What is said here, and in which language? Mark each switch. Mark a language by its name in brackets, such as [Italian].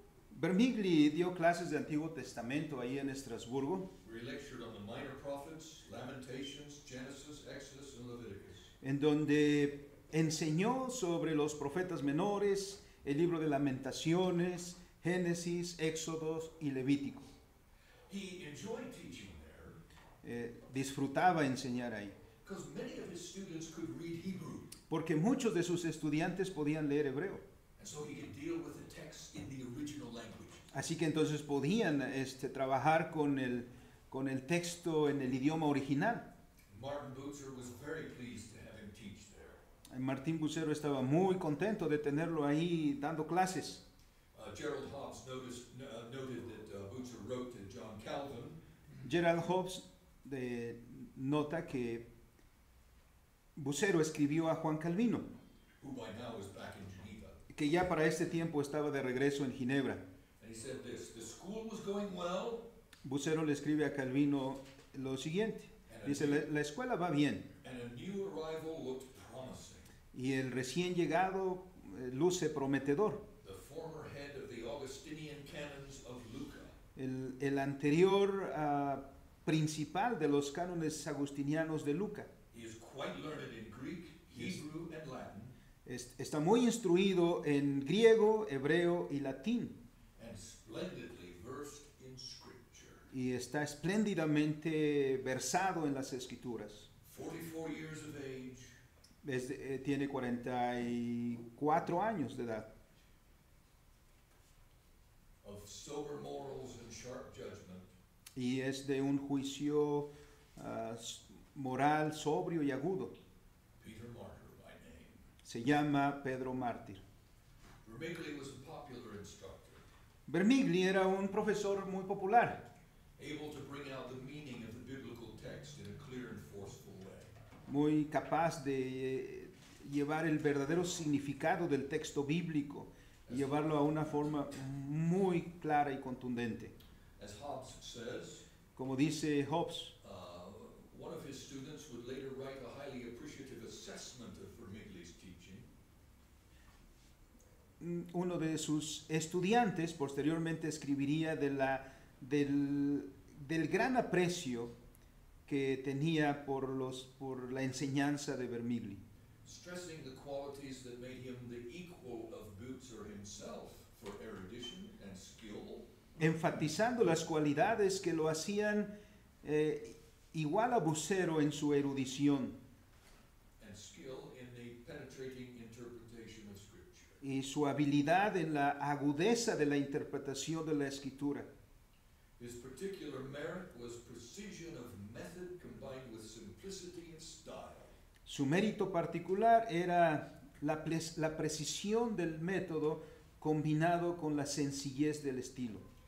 [Spanish] Vermigli dio clases de Antiguo Testamento ahí en Estrasburgo. [English] He lectured on the Minor Prophets, Lamentations, Genesis, Exodus, and Leviticus. [Spanish] En donde enseñó sobre los profetas menores, el libro de Lamentaciones, Génesis, Éxodos y Levítico. [English] He enjoyed teaching there. [Spanish] Disfrutaba enseñar ahí. [English] Because many of his students could read Hebrew. [Spanish] Porque muchos de sus estudiantes podían leer hebreo. [English] And so he could deal with the text in the original language. [Spanish] Así que entonces podían trabajar con el texto en el idioma original. [English] Martin Bucer was very pleased to have him teach there. [Spanish] Martín Bucero estaba muy contento de tenerlo ahí dando clases. [English] Gerald Hobbs noted that Bucer wrote to John Calvin. [Spanish] Gerald Hobbs nota que Bucero escribió a Juan Calvino, [English] who by now is back in Geneva, [Spanish] que ya para este tiempo estaba de regreso en Ginebra. [English] And he said this, the school was going well, [Spanish] Bucero le escribe a Calvino lo siguiente. Dice, la escuela va bien. [English] And a new arrival looked promising. [Spanish] Y el recién llegado luce prometedor. [English] The former head of the Augustinian canons of Lucca. [Spanish] El anterior principal de los cánones agustinianos de Lucca. [English] He is quite learned in Greek, Hebrew, and Latin. [Spanish] Está muy instruido en griego, hebreo y latín. [English] And splendidly versed in scripture. [Spanish] Y está espléndidamente versado en las escrituras. [English] 44 years of age. [Spanish] Tiene 44 años de edad. [English] Of sober morals and sharp judgment. [Spanish] Y es de un juicio moral sobrio y agudo. [English] Peter Martyr by name. [Spanish] Se llama Pedro Mártir. [English] Vermigli was a popular instructor. [Spanish] Vermigli era un profesor muy popular. [English] Able to bring out the meaning of the biblical text in a clear and forceful way. [Spanish] Muy capaz de llevar el verdadero significado del texto bíblico y llevarlo a una forma muy clara y contundente. [English] As Hobbes says, [Spanish] como dice Hobbes, [English] one of his students would later write a highly appreciative assessment of Vermigli's teaching. [Spanish] Uno de sus estudiantes posteriormente escribiría del gran aprecio que tenía por la enseñanza de Vermigli. [English] Stressing the qualities that made him the equal of Bucer himself for erudition and skill. [Spanish] Enfatizando las cualidades que lo hacían igual a Bucero en su erudición [English] and skill in the penetrating interpretation of scripture. [Spanish] Y su habilidad en la agudeza de la interpretación de la escritura. [English] His particular merit was precision of method combined with simplicity and style. [Spanish] Su mérito particular era la precisión del método combinado con la sencillez del estilo.